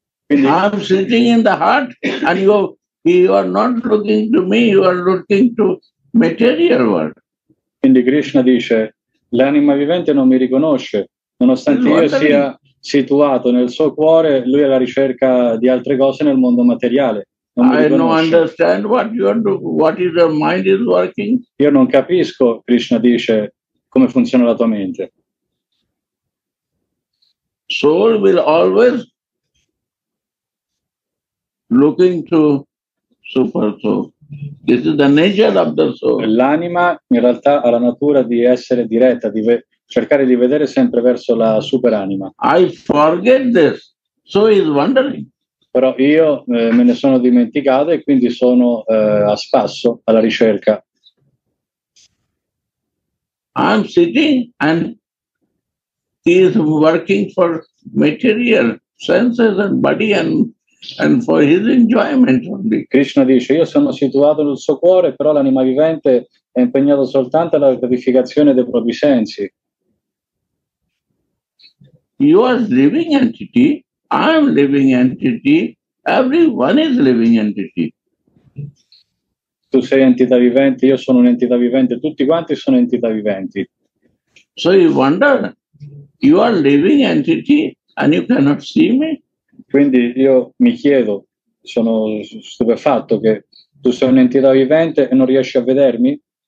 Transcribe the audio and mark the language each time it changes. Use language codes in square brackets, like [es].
[en] I'm sitting in the heart and you are not looking to me, you are looking to material world. [it] Quindi Krishna dice, l'anima vivente non mi riconosce, nonostante io sia situato nel suo cuore, lui è alla ricerca di altre cose nel mondo materiale. Non mi riconosce. [en] I don't understand what is your mind is working. [it] Io non capisco, Krishna dice, come funziona la tua mente. [en] Soul will always looking to super soul. This is the nature of the soul. [it] L'anima in realtà ha la natura di essere diretta, di cercare di vedere sempre verso la superanima. [en] I forget this, so is wandering. [it] Però io me ne sono dimenticato e quindi sono a spasso, alla ricerca. [en] I'm sitting and he is working for material senses and body and for his enjoyment only. [it] Krishna dice, io sono situato nel suo cuore, però l'anima vivente è impegnato soltanto alla gratificazione dei propri sensi. [en] You are living entity, I am living entity, everyone is living entity. [it] Tu sei entità vivente, io sono un'entità vivente, tutti quanti sono entità viventi. [en] So you wonder, you are living entity and you cannot see me? [it] Quindi io mi chiedo, sono stupefatto che tu sei un'entità vivente e non riesci a vedermi?